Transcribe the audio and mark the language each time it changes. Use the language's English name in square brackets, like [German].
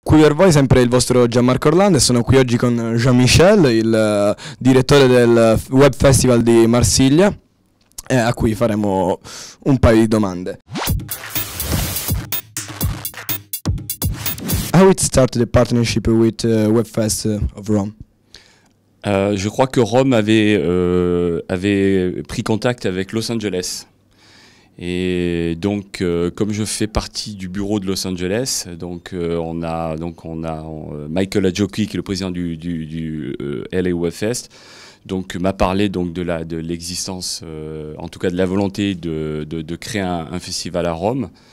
[Italian] qui per voi, sempre il vostro Gianmarco Orlando, e sono qui oggi con Jean-Michel, il direttore del Web Festival di Marsiglia, a cui faremo un paio di domande. [English] How it started the partnership with Webfest of Rome? [French] Je crois que Rome avait pris contact avec Los Angeles. Et donc, comme je fais partie du bureau de Los Angeles, on a Michael Adjoki, qui est le président du LA Web Fest, donc m'a parlé donc de l'existence, en tout cas de la volonté de créer un festival à Rome.